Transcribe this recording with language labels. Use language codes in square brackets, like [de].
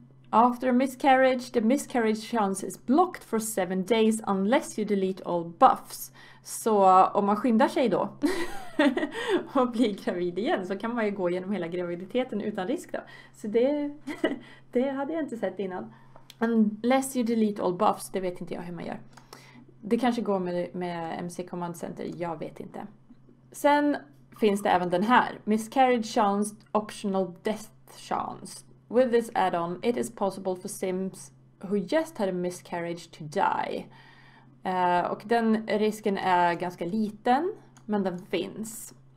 [en] After a miscarriage, the miscarriage chance is blocked for 7 days unless you delete all buffs. [sv] Så om man skyndar sig då och blir gravid igen så kan man ju gå igenom hela graviditeten utan risk då. Så det hade jag inte sett innan. [en] Unless you delete all buffs, [sv] det vet inte jag hur man gör. Det kanske går med MC Command Center, jag vet inte. Sen finns det även den här. [en] Miscarriage chance, optional death chance. With this add-on, it is possible for Sims who just had a miscarriage to die. [sv] Och den risken är ganska liten, men den finns.